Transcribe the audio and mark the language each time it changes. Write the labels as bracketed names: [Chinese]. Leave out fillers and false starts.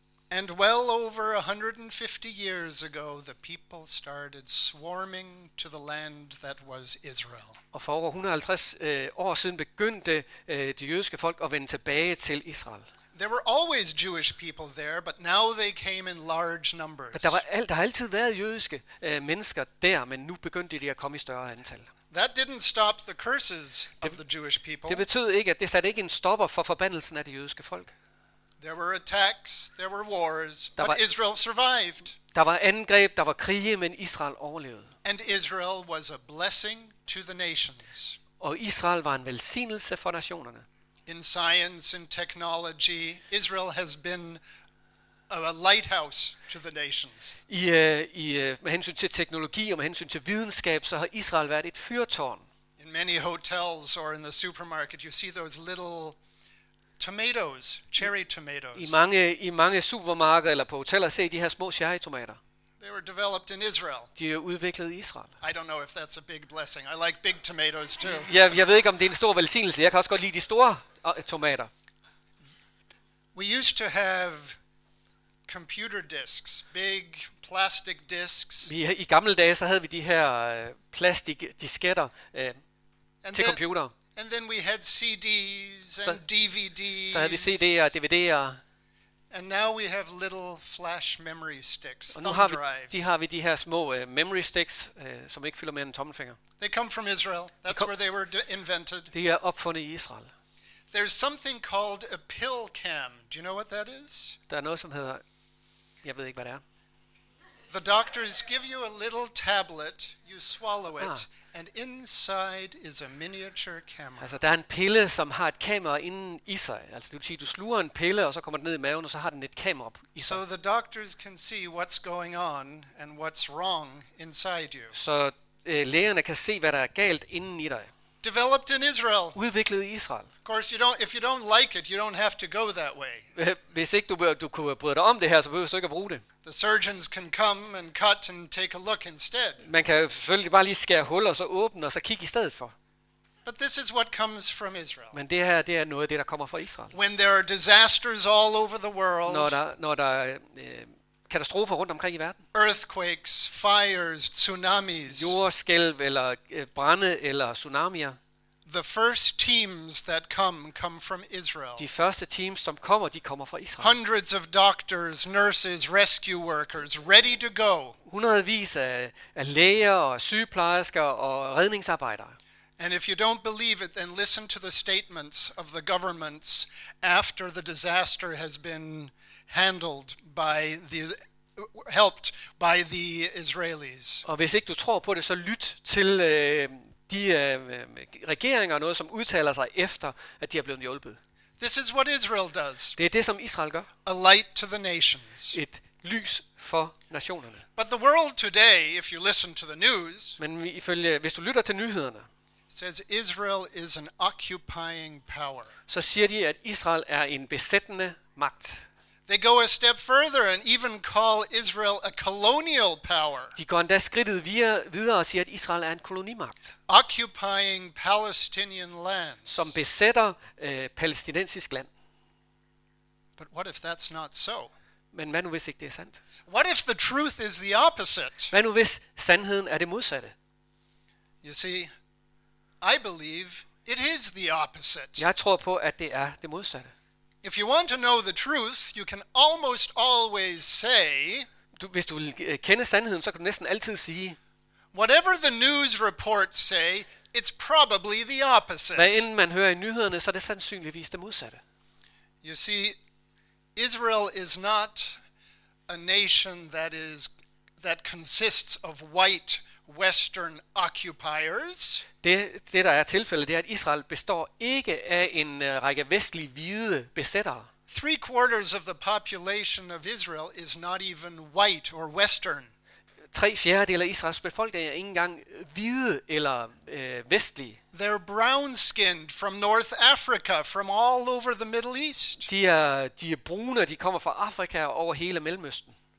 [English] And well over 150 years ago, the people started swarming to the land that was Israel. [Danish] Og for over 150 år siden begyndte de jødiske folk at vende tilbage til Israel. [English] There were always Jewish people there, but now they came in large numbers. [Danish] Men der har altid været jødiske mennesker der, men nu begyndte de at komme i større antal. [English] That didn't stop the curses of the Jewish people. [Danish] Det betød ikke, at det satte ikke en stopper for forbandelsen af de jødiske folk. [English] There were attacks, there were wars, but Israel survived. [Danish] Der var angreb, der var krige, men Israel overlevede. [English] And Israel was a blessing to the nations. [Danish] Og Israel var en velsignelse for nationerne. [English] In science and technology, Israel has been a lighthouse to the nations. [Danish] Med hensyn til teknologi og med hensyn til videnskab, så har Israel været et fyrtårn. [English] In many hotels or in the supermarket, you see those little tomatoes, cherry tomatoes. [Danish] I mange supermarkeder eller på hoteller ser I de her små cherrytomater. [English] They were developed in Israel. [Danish] De er udviklet i Israel. [English] I don't know if that's a big blessing. I like big tomatoes too. [Danish] Jeg ved ikke om det er en stor velsignelse. Jeg kan også godt lide de store tomater. [English] We used to have computer disks, big plastic disks. [Danish] I gamle dage så havde vi de her plastik disketter til computere. [English] And then we had CDs and DVDs. [Danish] Så havde vi CD'er, DVD'er. [English] And now we have little flash memory sticks, thumb drives. [Danish] De har vi de her små memory sticks, som ikke fylder mere end en tommelfinger. [English] They come from Israel. That's where they were invented. [Danish] De er opfundet i Israel. [English] There's something called a pill cam. Do you know what that is? [Danish] Der er noget som hedder, jeg ved ikke hvad det er. [English] The doctors give you a little tablet, you swallow it, and inside is a miniature camera. [Danish] Altså der er en pille, som har et kamera inde i sig. Altså du siger, du sluger en pille, og så kommer den ned i maven, og så har den et kamera i sig. [English] So the doctors can see what's going on and what's wrong inside you. [Danish] Så lægerne kan se, hvad der er galt inden i dig. [English] Developed in Israel. [Danish] Udviklet i Israel. [English] Of course, if you don't like it, you don't have to go that way. [Danish] Hvis ikke du kunne bryde dig om det her, så behøver du ikke at bruge det. [English] The surgeons can come and cut and take a look instead. [Danish] Man kan selvfølgelig bare lige skære huller og så åbne og så kigge i stedet for. [English] But this is what comes from Israel. [Danish] Men det her, det er noget af det, der kommer fra Israel. [English] When there are disasters all over the world. [Danish] Når der katastrofer rundt omkring i verden. [English] Earthquakes, fires, tsunamis. [Danish] Jordskælv eller brande eller tsunamier. [English] The first teams that come from Israel. [Danish] De første teams som kommer, de kommer fra Israel. [English] Hundreds of doctors, nurses, rescue workers ready to go. [Danish] Hundredvis af læger og sygeplejersker og redningsarbejdere. [English] And if you don't believe it, then listen to the statements of the governments after the disaster has been handled by the helped by the Israelis. [Danish] Og hvis ikke du tror på det, så lyt til de regeringer og noget som udtaler sig efter at de er blevet hjulpet. [English] This is what Israel does. [Danish] Det er det som Israel gør. [English] A light to the nations. [Danish] Et lys for nationerne. [English] But the world today, if you listen to the news, [Danish] men ifølge hvis du lytter til nyhederne, [English] says Israel is an occupying power. [Danish] Så siger de at Israel er en besættende magt. [English] They go a step further and even call Israel a colonial power. [Danish] De går endda skridtet videre og siger, at Israel er en kolonimagt. [English] Occupying Palestinian lands. [Danish] Som besætter palæstinensisk land. [English] But what if that's not so? [Danish] Men hvad nu hvis ikke det er sandt? [English] What if the truth is the opposite? [Danish] Hvad nu hvis sandheden er det modsatte? [English] You see, I believe it is the opposite. [Danish] Jeg tror på, at det er det modsatte. [English] If you want to know the truth, you can almost always say. [Danish] Hvis du vil kende sandheden, så kan du næsten altid sige. [English] Whatever the news reports say, it's probably the opposite. [Danish] Hvad end man hører i nyhederne, så er det sandsynligvis det modsatte. [English] You see, Israel is not a nation that consists of white Western occupiers. [Danish] Det der er tilfældet, det er at Israel består ikke af en række vestlige hvide besættere. [English] 3/4 of the population of Israel is not even white or Western. [Danish] tre fjerdedele af Israels befolkning er ikke engang hvide eller vestlige. [English] They're brown-skinned from North Africa, from all over the Middle East. [Danish] De er brune, de kommer fra Afrika og over hele Mellemøsten.